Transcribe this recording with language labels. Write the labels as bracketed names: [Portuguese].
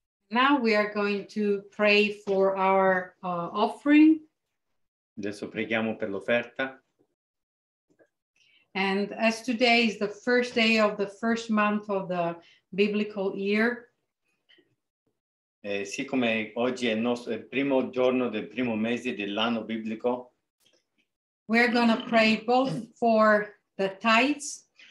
[English] Now we are going to pray for our offering. [Italian] Adesso preghiamo per l'offerta. [English] And as today is the first day of the first month of the biblical year. [Italian] Siccome oggi è il primo giorno del primo mese dell'anno biblico. [English] We're going to pray both for the tithes.